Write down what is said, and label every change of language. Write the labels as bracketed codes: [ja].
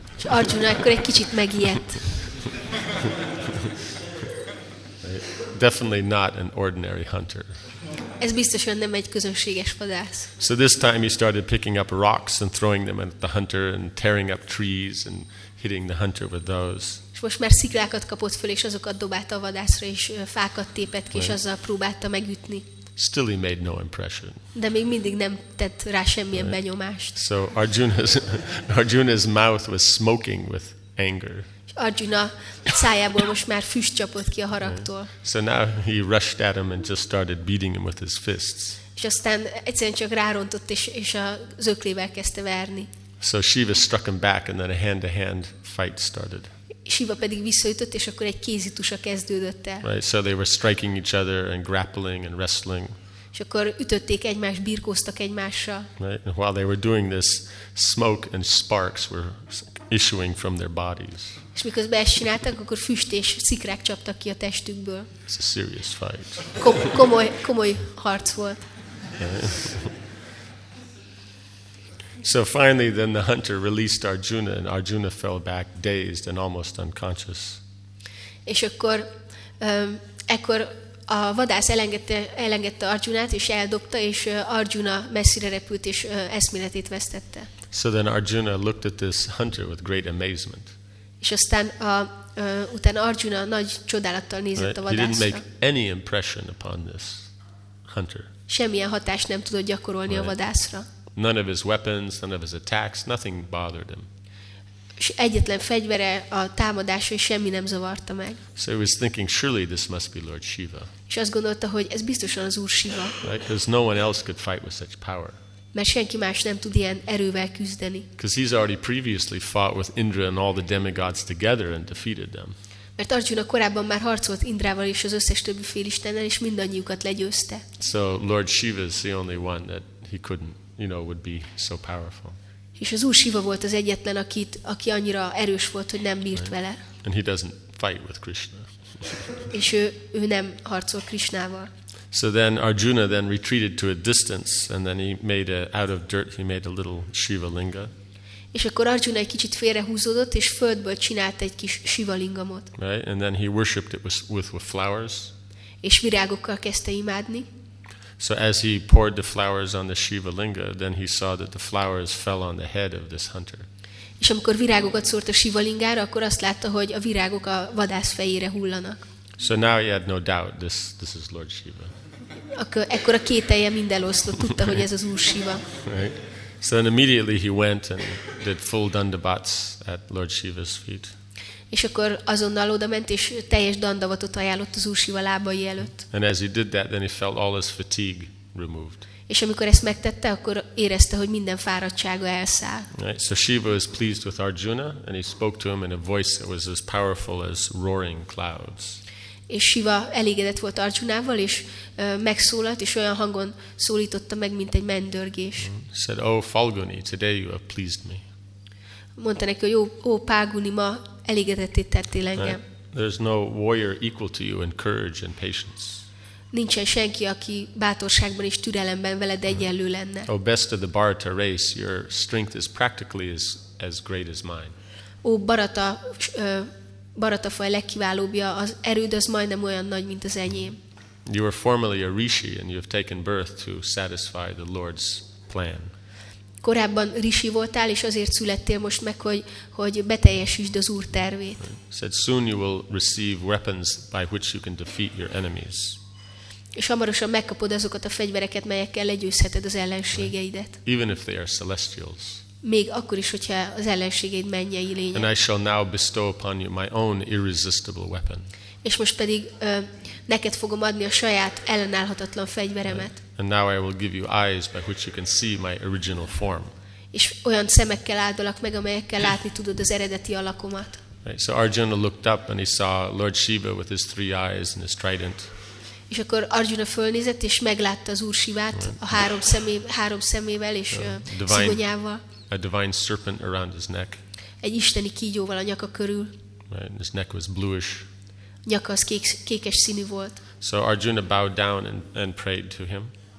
[hu] És Arjuna akkor egy kicsit megijedt. [en] Definitely not an ordinary hunter. [hu] Ez biztosan nem egy közönséges vadász. [en] So this time he started picking up rocks and throwing them at the hunter and tearing up trees and hitting the hunter with those. [hu] És most már sziklákat kapott föl, és azokat dobálta a vadászra, és fákat tépett ki, és azzal próbálta megütni. [en] Still he made no impression. [hu] De még mindig nem tett rá semmilyen benyomást. [en] So Arjuna's mouth was smoking with anger. [hu] Arjuna szájából most már füst csapott ki a haragtól. [en] So now he rushed at him and just started beating him with his fists. [hu] És aztán egyszerűen csak rárontott, és az öklével kezdte verni. [en] So Shiva struck him back, and then a hand-to-hand fight started. [hu] Shiva pedig visszaütött, és akkor egy kézitusa kezdődött el. [en] Right, so they were striking each other and grappling and wrestling. [hu] És akkor ütötték egymást, birkóztak egymással. [en] Right, and while they were doing this, smoke and sparks were issuing from their bodies. [hu] És miközben ezt csináltak, akkor füst és szikrák csaptak ki a testükből. [en] It's a serious fight. [hu] Komoly harc volt. [en] So finally then the hunter released Arjuna, and Arjuna fell back dazed and almost unconscious. [hu] És akkor ekkor a vadász elengedte Arjunát, és eldobta, és Arjuna messzire repült, és eszméletét vesztette. [en] So then Arjuna looked at this hunter with great amazement. [hu] És aztán utána Arjuna nagy csodálattal nézett a vadászra. [en] He didn't make any impression upon this hunter. [hu] Semmilyen hatást nem tudott gyakorolni a vadászra. [en] None of his weapons, none of his attacks, nothing bothered him. [hu] És egyetlen fegyvere, a támadása semmi nem zavarta meg. [en] So he was thinking, surely this must be Lord Shiva. [hu] És azt gondolta, hogy ez biztosan az Úr Shiva. [en] Right? Because no one else could fight with such power. [hu] Mert senki más nem tud ilyen erővel küzdeni. [en] Because he's already previously fought with Indra and all the demigods together and defeated them. [hu] Mert Arjuna korábban már harcolt Indrával és az összes többi félistennel, és mindannyiukat legyőzte. [en] So Lord Shiva is the only one that he couldn't, you know, would be so powerful. [hu] És az Úr Shiva volt az egyetlen, aki annyira erős volt, hogy nem bírt vele. [en] And he doesn't fight with Krishna. [hu] És ő nem harcol Krishnával. [en] So then Arjuna then retreated to a distance, and then he made out of dirt he made a little Shiva linga. [hu] És akkor Arjuna egy kicsit félrehúzódott, és földből csinált egy kis Shiva lingamot. [en] Right, and then he worshipped it with flowers. [hu] És virágokkal kezdte imádni. [en] So as he poured the flowers on the Shiva linga, then he saw that the flowers fell on the head of this hunter. [hu] És amikor virágokat szórt a Shiva lingára, akkor azt látta, hogy a virágok a vadász fejére hullanak. [en] So now he had no doubt, this is Lord Shiva. [hu] Ekkor a kételje mindeloszlott, tudta, hogy ez az Úr Shiva. [en] Right. So then immediately he went and did full dandavats at Lord Shiva's feet. [hu] És akkor azonnal oda ment, és teljes dandavatot ajánlott az Úr Shiva lábai előtt. [en] And as he did that, then he felt all his fatigue removed. [hu] És amikor ezt megtette, akkor érezte, hogy minden fáradtsága elszáll. [en] Right. So Shiva was pleased with Arjuna, and he spoke to him in a voice that was as powerful as roaring clouds. [hu] És Shiva elégedett volt Arjunával, és megszólalt, és olyan hangon szólította meg, mint egy mendörgés. [en] Said, oh, Falguni, today you have pleased me. [hu] Mondta neki, hogy ó, Palguni, ma elégedetté tettél engem. [en] There's no warrior equal to you in courage and patience. [hu] Nincsen senki, aki bátorságban és türelemben veled egyenlő lenne. [en] Oh, best of the Bharata race, your strength is practically as great as mine. [hu] Ó, Bharata faj legkiválóbbja, az erőd az majdnem olyan nagy, mint az enyém. [en] You were formerly a rishi and you have taken birth to satisfy the Lord's plan. [hu] korábban risi voltál, és azért születtél most meg, hogy beteljesítsd az Úr tervét. [en] Said soon you will receive weapons by which you can defeat your enemies. [hu] És hamarosan megkapod azokat a fegyvereket, melyekkel legyőzheted az ellenségeidet. [en] Even if they are celestials. [hu] Még akkor is, hogyha az ellenségeid mennyei lények. [en] And I shall now bestow upon you my own irresistible weapon. [hu] És most pedig neked fogom adni a saját ellenállhatatlan fegyveremet. [en] And now I will give you eyes by which you can see my original form. [hu] És olyan szemekkel áldalak meg, amelyekkel látni tudod az eredeti alakomat. [en] Right, so Arjuna looked up and he saw Lord Shiva with his three eyes and his trident. [hu] És akkor Arjuna fölnézett és meglátta az Úr Sivát a három szemével és szigonyával. [en] A divine serpent around his neck. [hu] Egy isteni kígyóval a nyaka körül. [en] Right, his neck was bluish. [hu] Nyaka az kékes színű volt. [en] So Arjuna bowed down and prayed to him.